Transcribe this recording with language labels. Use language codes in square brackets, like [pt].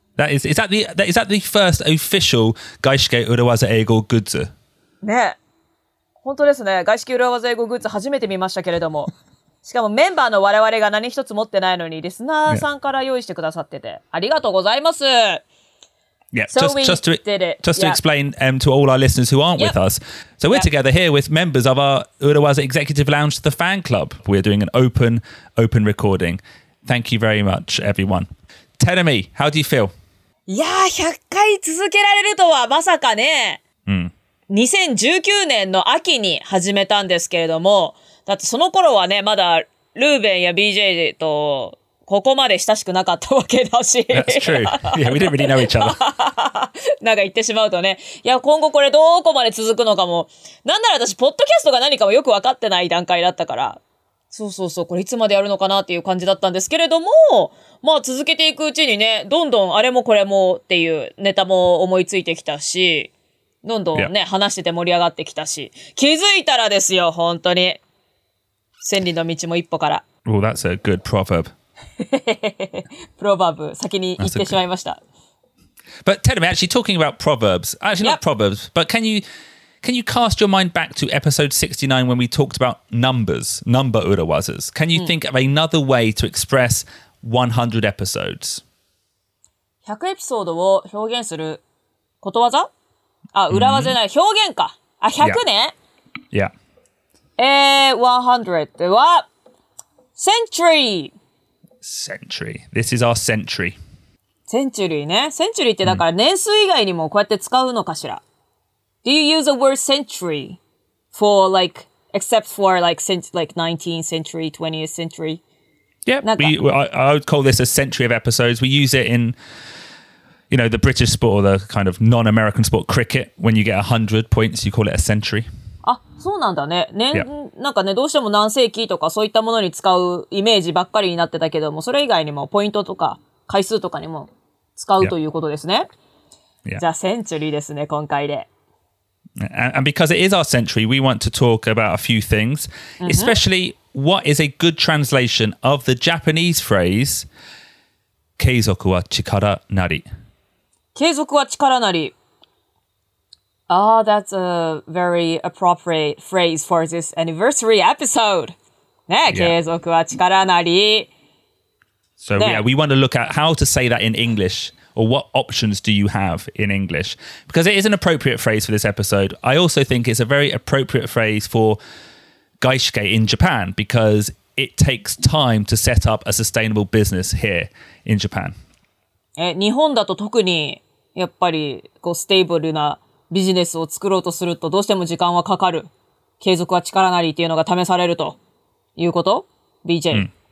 [en] Is that the first official [ja] 外資系裏技英語グッズ？ね、本当ですね。外資系裏技英語グッズ初めて見ましたけれども、しかもメンバーの我々が何一つ持ってないのにリスナーさんから用意してくださってて、ありがとうございます。 [en] Yeah, so just to explain to all our listeners who aren't with us. So we're together here with members of our Urawaza Executive Lounge, the fan club. We're doing an open recording. Thank you very much, everyone. Terumi, how do you feel? [ja] Yeah, 100回続けられるとはまさかね。 2019年の秋に始めたんですけれども、だってその頃はね、まだルーベンや BJ とここまで親しくなかったわけだし。 [en] That's true. Yeah, we didn't really know each other. [ja] なんか言ってしまうとね。いや、今後これどこまで続くのかも。なんなら私、ポッドキャストが何かもよくわかってない段階だったから。そうそうそう、これいつまでやるのかなっていう感じだったんですけれども、まあ続けていくうちにね、どんどんあれもこれもっていうネタも思いついてきたし、どんどんね、話してて盛り上がってきたし、気づいたらですよ、本当に。千里の道も一歩から。 [en] Well, that's a good proverb. [ja] Proverb, 先に言ってしまいました。 [en] But tell me, actually talking about proverbs, actually not proverbs, but can you cast your mind back to episode 69 when we talked about numbers, number urawazas? Can you think of another way to express 100 episodes? [ja] 100エピソードを表現することわざ？あ、裏技じゃない、表現か。あ、100ね。 [en] Yeah. [ja] 100は、century! [en] Century. This is our century. [ja] Century, ね。Century ってだから年数以外にもこうやって使うのかしら。 [en] Do you use the word century for like, except for like 19th century, 20th century? Yeah, I would call this a century of episodes. We use it in, you know, the British sport or the kind of non-American sport, cricket. When you get 100 points, you call it a century. [ja] あ、そうなんだね。年、なんかね、どうしても何世紀とかそういったものに使うイメージばっかりになってたけども、それ以外にもポイントとか回数とかにも使うということですね。じゃあ、センチュリーですね、今回で。 [en] And because it is our century, we want to talk about a few things, especially what is a good translation of the Japanese phrase, [ja] 継続は力なり。継続は力なり。 [en] Oh, that's a very appropriate phrase for this anniversary episode. [ja] ね、継続は力なり。 [en] So, yeah, we want to look at how to say that in English, or what options do you have in English? Because it is an appropriate phrase for this episode. I also think it's a very appropriate phrase for gaishke in Japan, because it takes time to set up a sustainable business here in Japan. [ja] 日本だと特にやっぱりこうステーブルなビジネスを作ろうとするとどうしても時間はかかる。継続は力なりっていうのが試されるということ ?BJ。